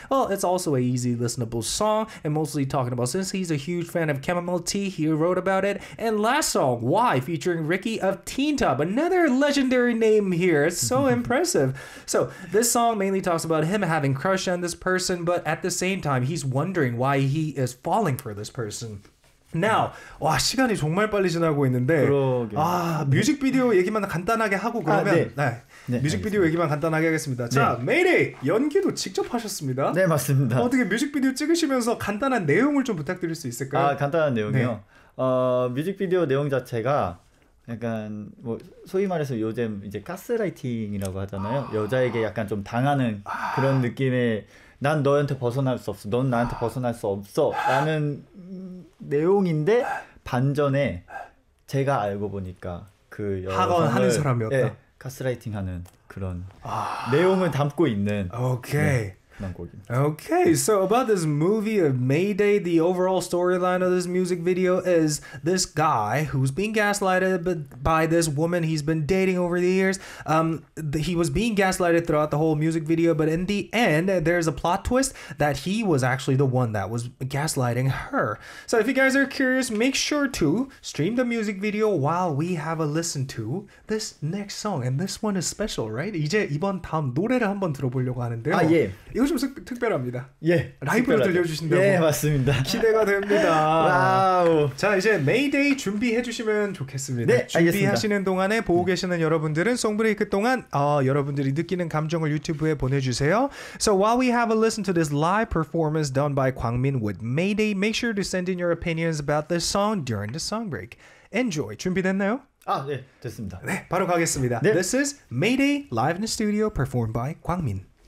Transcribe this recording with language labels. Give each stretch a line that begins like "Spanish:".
English: Well, it's also an easy listenable song and mostly talking about since he's a huge fan of chamomile tea, he wrote about it. And last song, Why, featuring Ricky of Teen Top. Another legendary name here. It's so impressive. So this song mainly talks about him having crush on this person, but at the same time, he's wondering why he is falling for this person. Now,
Korean: 와, 시간이 정말 빨리 지나고 있는데. 그러게. 아, 뮤직비디오 얘기만 간단하게 하고 그러면. 네. 네, 뮤직비디오 얘기만 간단하게 하겠습니다. 자, 네. 메이데이 연기도 직접 하셨습니다. 네, 맞습니다. 어떻게 뮤직비디오 찍으시면서 간단한 내용을 좀 부탁드릴 수 있을까요? 아, 간단한 내용이요? 네. 뮤직비디오 내용 자체가 약간 뭐 소위 말해서 요즘 이제 가스라이팅이라고 하잖아요. 여자에게 약간 좀 당하는 그런 느낌의 난 너한테 벗어날 수 없어, 넌 나한테 벗어날 수 없어 라는 내용인데 반전에 제가 알고 보니까 그 학원 하는 사람이었다. 예, 가스라이팅 하는 그런 내용을 담고 있는 오케이 네.
English: Okay, so about this movie of Mayday, the overall storyline of this music video is this guy who's being gaslighted by this woman he's been dating over the years. He was being gaslighted throughout the whole music video, but in the end, there's a plot twist that he was actually the one that was gaslighting her. So if you guys are curious, make sure to stream the music video while we have a listen to this next song. And this one is special, right?
Korean: 이제 이번 다음 노래를 한번 들어보려고 하는데요. 아, 예. 이거 좀 특별합니다. 예, 라이브로 들려주신다고. 예, 맞습니다. 기대가 됩니다. 와우. 자, 이제 메이데이 준비해 주시면 좋겠습니다. 네, 준비하시는 알겠습니다. 동안에 보고 계시는 여러분들은 송브레이크 동안 여러분들이 느끼는 감정을 유튜브에 보내주세요.
English: So while we have a listen to this live performance done by Kwangmin with Mayday, make sure to send in your opinions about this song during the song break. Enjoy.
Korean: 준비됐나요? 아, 예, 됐습니다. 네, 바로 가겠습니다. 네.
English: This is Mayday live in the studio performed by Kwangmin.